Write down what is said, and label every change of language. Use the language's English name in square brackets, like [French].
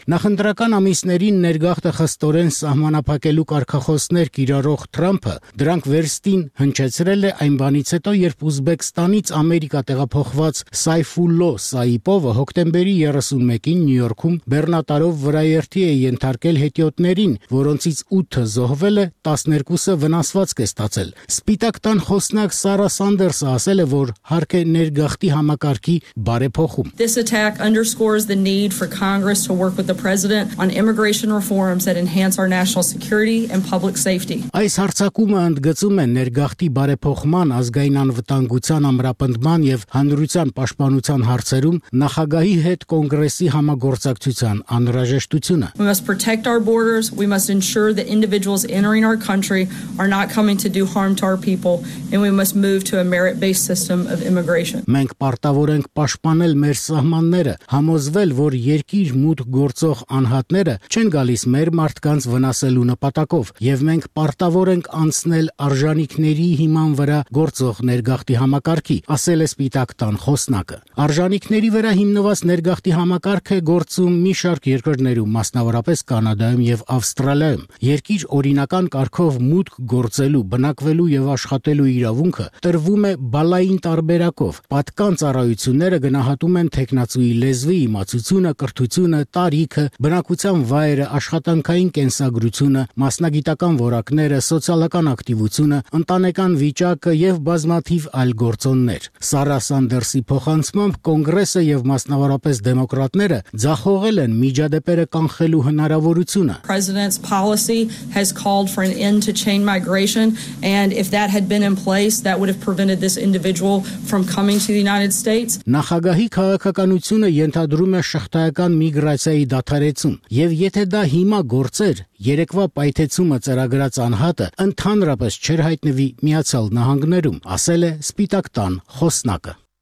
[Armenian] Նախընտրական ամիսներին ներգաղթը խստորեն սահմանափակելու կարգախոսներ կիրառող Թրամփը դրանք վերստին հնչեցրել է այն բանից հետո, երբ Ուզբեկստանից Ամերիկա տեղափոխված Սայֆուլլո Սայիպովը հոկտեմբերի 31-ին Նյու Յորքում բեռնատարով վրաերթի է ենթարկել հետիոտներին, որոնցից 8-ը զոհվել է, 12-ը վնասվածք է ստացել։ Սպիտակ տան խոսնակ Սարա Սանդերսը ասել է, որ հարկ է ներգաղթի համակարգի բարեփոխում։ [English] This attack underscores the need for Congress to work with the President on immigration reforms that enhance our national security and public safety. [Armenian] Այս հարցակումը ընդգծում է ներգաղթի բարեփոխման, ազգային անվտանգության ամրապնդման և հանրության պաշտպանության հարցերում նախագահի հետ կոնգրեսի համագործակցության անհրաժեշտությունը։ [English] We must protect our borders, we must ensure that individuals entering our country are not coming to do harm to our people, and we must move to a merit-based system of immigration. [Armenian] Մենք պարտավոր ենք պաշտպանել մեր սահմանները, համոզվել, որ երկիր մուտք գործող անհատները չեն գալիս մեր մարդկանց վնասելու նպատակով, և մենք պարտավոր ենք անցնել արժանիքների հիման վրա գործող ներգաղթի համակարգի, ասել է Սպիտակ տան խոսնակը։ Արժանիքների վրա հիմնված ներգաղթի համակարգը գործում մի շարք երկրներում, մասնավորապես Կանադայում և Ավստրալիայում։ Երկիր օրինական կարգով մուտք գործելու, բնակվելու և աշխատելու իրավունքը տրվում է բալային տարբերակով։ Պատկան ծառայությունները գնահատում են թեկնածուի լեզվի, իմացությունը, կրթությունը, տարիքը, բնակության վայրը, աշխատանքային կենսագրությունը, մասնագիտական որակները, սոցիալական ակտիվությունը, ընտանեկան վիճակը և բազմաթիվ այլ գործոններ։ Սարա Սանդերսի փոխանցմամբ կոնգրեսը և մասնավորապես դեմոկրատները ձախողել են միջադեպերը կանխելու հնարավորությունը։ [English] President's policy has called for an end to chain migration, and if that had been in place, that would have prevented this individual from coming to the United States. [Armenian] Նախագահի քաղաքականությունը ենթադրում է շղթայական միգրացիայի դադարեցում, և եթե դա հիմա գործեր, երեկվա պայթեցումը ծրագրած անհատը ընդհանրապես չէր հայտնվի Միացյալ Նահանգներում, ասել է Սպիտակ տան խոսնակը։